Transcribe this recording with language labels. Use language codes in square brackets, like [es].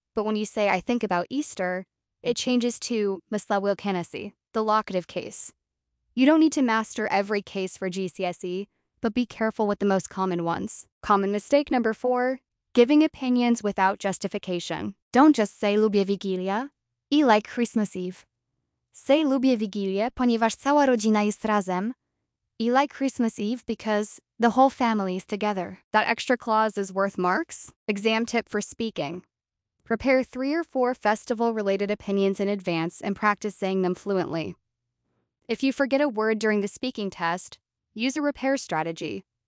[en] But when you say, I think about Easter, it changes to [pl] myślę Wielkanocy, [en] the locative case. You don't need to master every case for GCSE, but be careful with the most common ones. Common mistake number 4, giving opinions without justification. Don't just say [pl] lubię Wigilia. [en] I like Christmas Eve. Say [pl] lubię Wigilię, ponieważ cała rodzina jest razem. [en] I like Christmas Eve because the whole family is together. That extra clause is worth marks. Exam tip for speaking. Prepare 3 or 4 festival-related opinions in advance and practice saying them fluently. If you forget a word during the speaking test, use a repair strategy.